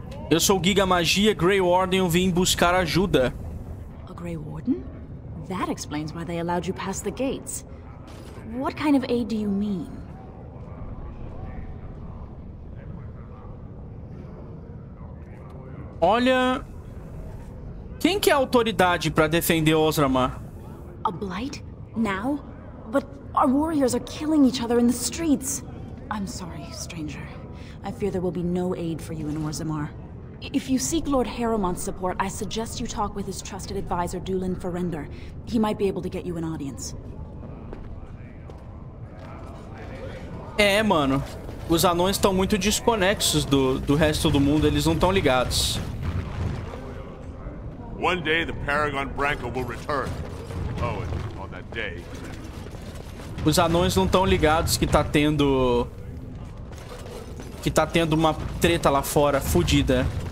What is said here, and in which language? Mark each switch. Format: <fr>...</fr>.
<pt>Eu sou Giga Magia, Grey Warden, eu vim buscar ajuda.</pt> <en>A Grey Warden? That explains why they allowed you past the gates. What kind of aid do you mean? Olha, quem que é a autoridade para defender Orzammar? A blight? Now? But our warriors are killing each other in the streets. I'm sorry, stranger. I fear there will be no aid for you in Orzammar. If you seek Lord Harrowmont's support, I suggest you talk with his trusted advisor, Doolin Ferender. He might be able to get you an audience.</en> <pt>É, mano. Os anões estão muito desconexos do resto do mundo. Eles não estão ligados.</pt> <en>One day, the Paragon Branco will return. Oh, and on that day...</en> <pt>Os anões não estão ligados que tá tendo... que tá tendo uma treta lá fora, fodida.</pt>